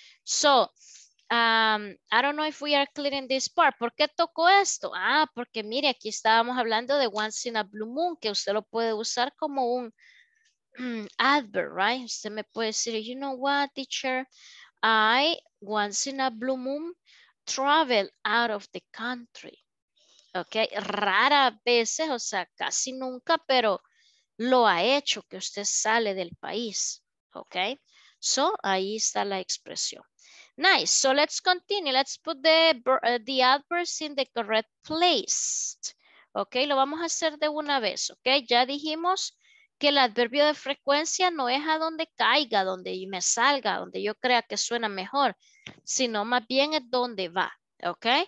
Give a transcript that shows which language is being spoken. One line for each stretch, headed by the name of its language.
English: So, I don't know if we are clear in this part.
Spanish: ¿Por qué tocó esto? Ah, porque mire, aquí estábamos hablando de once in a blue moon, que usted lo puede usar como un adverb, right? Usted me puede decir,
English: you know what, teacher, I once in a blue moon travel out of the country.
Spanish: Ok, rara veces, o sea, casi nunca, pero lo ha hecho que usted sale del país. Ok, so ahí está la expresión.
English: Nice, so let's continue. Let's put the adverbs in the correct place.
Spanish: Ok, lo vamos a hacer de una vez. Ok, ya dijimos que el adverbio de frecuencia no es a donde caiga, donde me salga, donde yo crea que suena mejor, sino más bien es donde va, ¿ok?